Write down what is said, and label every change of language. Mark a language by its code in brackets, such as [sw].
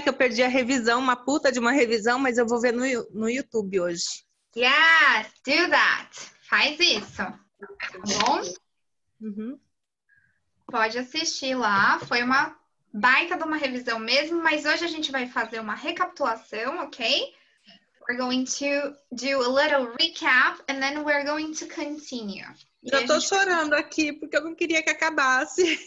[pt] Que eu perdi a revisão, uma puta de uma revisão, mas eu vou ver no YouTube hoje. [en] Yes, do that. [pt] Faz isso. Tá bom? Uhum. Pode assistir lá. Foi uma baita de uma revisão mesmo, mas hoje a gente vai fazer uma recapitulação, ok? [en] We're going to do a little recap and then we're going to continue. [pt] Já tô chorando aqui, porque eu não queria que acabasse.